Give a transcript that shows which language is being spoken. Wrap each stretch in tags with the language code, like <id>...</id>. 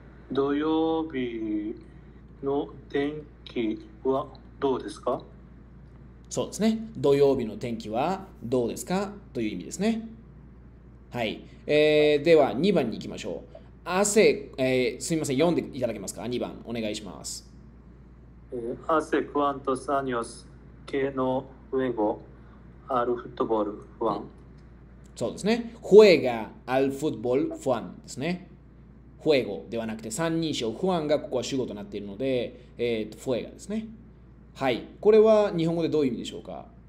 <ja>土曜日の天気はどうですか。そうですね、土曜日の天気はどうですかという意味ですね。はい、では2番に行きましょう。すみません、読んでいただけますか。 2番お願いします。</ja> <es>Hace cuántos años que no juego al fútbol, Juan?</es> <ja>そうですね、</ja> <es>juega al fútbol, Juan</es> <ja>ですね。フェゴではなくて三人称、フアンがここは主語となっているので、フェガですね。はい、これは日本語でどういう意味でしょうか。</ja>